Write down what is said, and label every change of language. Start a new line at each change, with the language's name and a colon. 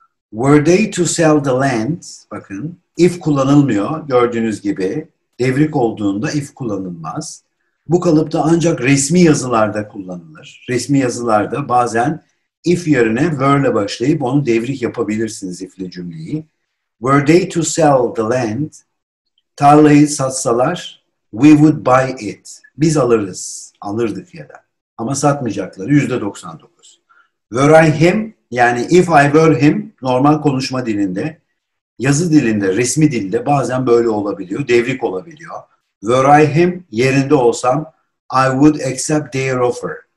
English: Were they to sell the land?
Turkish: Bakın, if kullanılmıyor gördüğünüz gibi. Devrik olduğunda if kullanılmaz. Bu kalıpta ancak resmi yazılarda kullanılır. Resmi yazılarda bazen if yerine were'le başlayıp onu devrik yapabilirsiniz if'li cümleyi.
English: Were they to sell the land,
Turkish: tarlayı satsalar,
English: we would buy it.
Turkish: Biz alırız, alırdık ya da. Ama satmayacaklar, %99.
English: Were I him,
Turkish: yani
English: if I were him,
Turkish: normal konuşma dilinde, yazı dilinde, resmi dilde bazen böyle olabiliyor, devrik olabiliyor.
English: Were I him,
Turkish: yerinde olsam,
English: I would accept their offer.